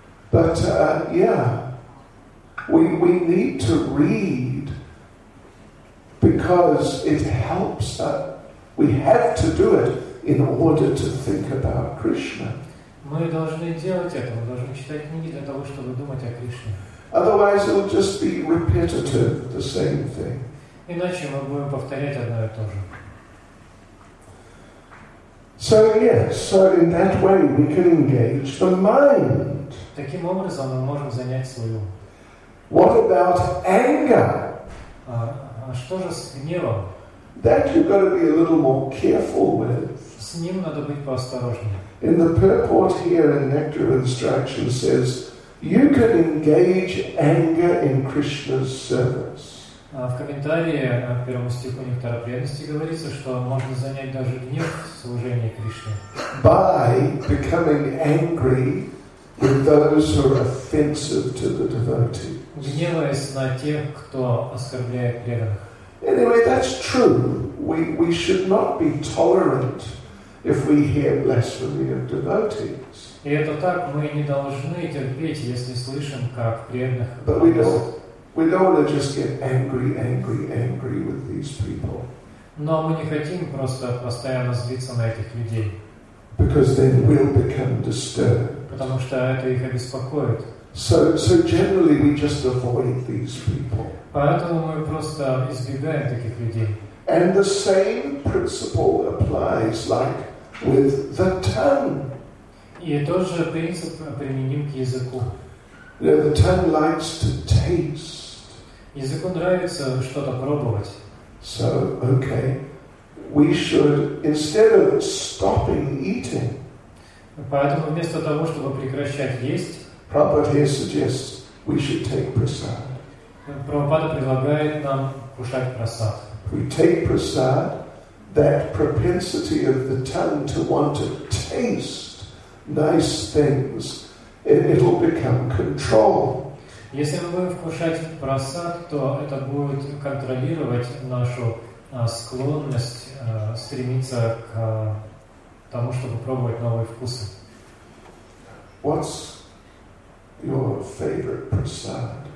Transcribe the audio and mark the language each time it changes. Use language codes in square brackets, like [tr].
[en] But, yeah, we need to read because it helps us. We have to do it in order to think about Krishna. [ru] Мы должны делать это, мы должны читать книги для того, чтобы думать о Кришне. [en] Otherwise it will just be repetitive, the same thing. [ru] Иначе мы будем повторять одно и то же. [en] So yes, so in that way we can engage the mind. [ru] Таким образом мы можем занять свой ум. [en] What about anger? [ru] А что же с гневом? [en] That you've got to be a little more careful with. [ru] С ним надо быть поосторожнее. [en] In the purport here in Nectar Instruction says, you can engage anger in Krishna's service. [ru] В комментарии к первому стиху Нектара Преданности говорится, что можно занять даже гнев в служении Кришне. [en] By becoming angry with those who are offensive to the devotees. [ru] Гневаясь на тех, кто оскорбляет преданных. [en] Anyway, that's true. We should not be tolerant if we hear blasphemy of devotees. [ru] И это так, мы не должны терпеть, если слышим, как преданных. [en] But we don't want to just get angry with these people. [ru] Но мы не хотим просто постоянно злиться на этих людей. [en] Because then we'll become disturbed. [ru] Потому что это их обеспокоит. [en] So generally we just avoid these people. [ru] Поэтому мы просто избегаем таких людей. [en] And the same principle applies, like with the tongue. [ru] И тот же принцип применим к языку. [en] Now, the tongue likes to taste. [ru] Языку нравится что-то пробовать. [en] So, okay, we should, instead of stopping eating. [ru] Поэтому вместо того, чтобы прекращать есть, [en] Prabhupada suggests we should take prasad. [ru] Прабхупада предлагает нам кушать прасад. [en] We take prasad, that propensity of the tongue to want to taste nice things, it will become controlled. [ru] Если мы будем вкушать прасад, то это будет контролировать нашу склонность стремиться к тому, чтобы пробовать новые вкусы. [en] What's your favorite prasad?